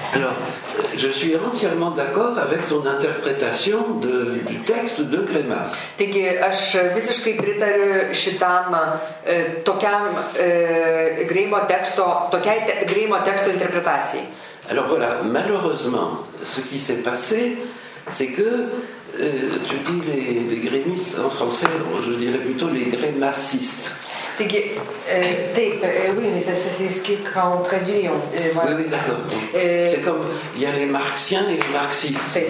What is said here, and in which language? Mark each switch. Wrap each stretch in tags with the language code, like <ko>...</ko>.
<fr>Alors, je suis entièrement d'accord avec ton interprétation de, du texte de Grémas.</fr> <lt>Taigi, aš visiškai pritariu šitam tokiam Grėjimo teksto, tokiai Grėjimo teksto interpretacijai.</lt> <fr>Alors voilà, malheureusement, ce qui s'est passé, c'est que, tu dis les grémistes en français, je dirais plutôt les grémassistes.</fr> <lt>Taigi, taip,</lt> <fr>oui, mais ça c'est ce qu'on traduit. Voilà. Oui, oui, d'accord. C'est comme, il y a les marxiens et les marxistes.</fr>